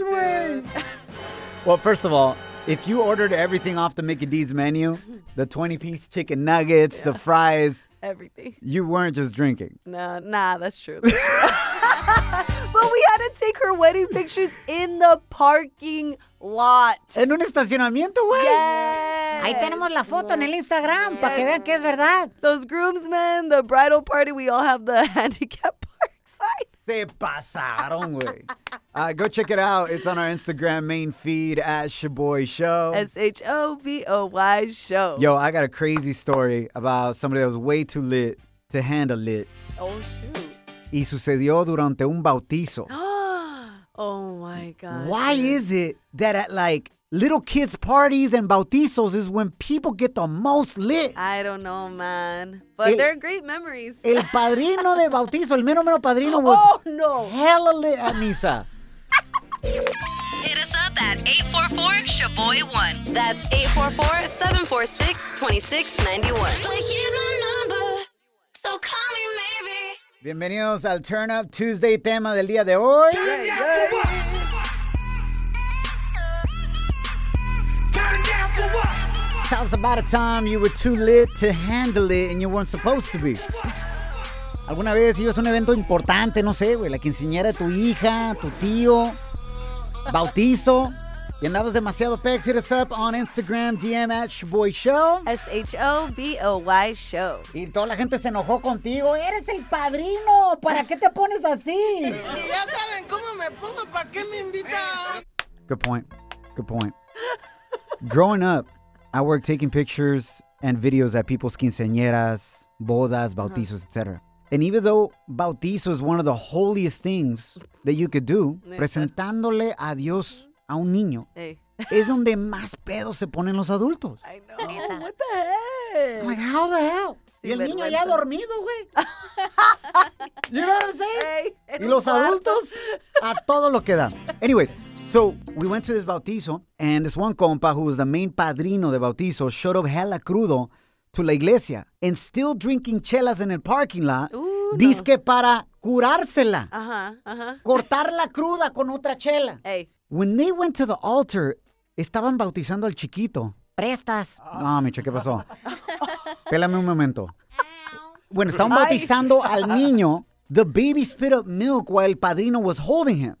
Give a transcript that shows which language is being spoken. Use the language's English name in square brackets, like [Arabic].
[English] way. Well, first of all, if you ordered everything off the Mickey D's menu, the 20-piece chicken nuggets, the fries, everything. You weren't just drinking. No, that's true. That's true. But we had to take her wedding pictures in the parking lot. [Spanish] En un estacionamiento, güey. [English] Yes. [Spanish] Ahí tenemos la foto en el Instagram, [English] yes, [Spanish] para que vean que es verdad. [English] Those groomsmen, the bridal party, we all have the handicap park sign. [Spanish] Se pasaron, güey. [English] Go check it out. It's on our Instagram main feed at Shaboy Show. S-H-O-B-O-Y Show. Yo, I got a crazy story about somebody that was way too lit to handle lit. Oh, shoot. [Spanish] Y sucedió durante un bautizo. [English] Oh, my God. Why is it that at like little kids' parties and bautizos is when people get the most lit. I don't know, man. But they're great memories. [Spanish] El padrino de bautizo, el mero mero padrino [English] was hella lit at [Spanish] misa. [English] Hit us up at 844-SHABOY1. That's 844-746-2691. But here's my number, so call me maybe. [Spanish] Bienvenidos al Turn Up Tuesday tema del día de hoy. [English] Tell us about a time you were too lit to handle it and you weren't supposed to be. [Spanish] ¿Alguna vez ibas a un evento importante, no sé, güey, la quinceañera de tu hija, tu tío, bautizo, y andabas demasiado pex? [English] Hit us up on Instagram, DM at Shaboy Show. S-H-O-B-O-Y Show. [Spanish] Y toda la gente se enojó contigo. ¡Eres el padrino! ¿Para qué te pones así? Si ya saben cómo me pongo, ¿para qué me invitan? [English] Good point. Good point. Growing up, I worked taking pictures and videos at people's quinceañeras, bodas, bautizos, etc. And even though bautizo is one of the holiest things that you could do, [Spanish] presentándole a Dios a un niño, es donde más pedos se ponen los adultos. [English] I know. What the heck? I'm like, how the hell? [Spanish] Y el niño ya dormido, güey. [English] You know what I'm saying? [Spanish] Y los adultos a todo lo que dan. [English] Anyways. So, we went to this bautizo, and this one compa, who was the main [Spanish] padrino de bautizo, [English] showed up hella [Spanish] crudo to la iglesia, [English] and still drinking [Spanish] chelas in el parking lot, dizque no. Para curársela. Uh-huh, uh-huh. Cortar la cruda con otra chela. [English] Hey. When they went to the altar, [Spanish] estaban bautizando al chiquito. Prestas. No, Micho, ¿qué pasó? Pélame un momento. Bueno, estaban bautizando al niño. [English] The baby spit up milk while [Spanish] el padrino [English] was holding him.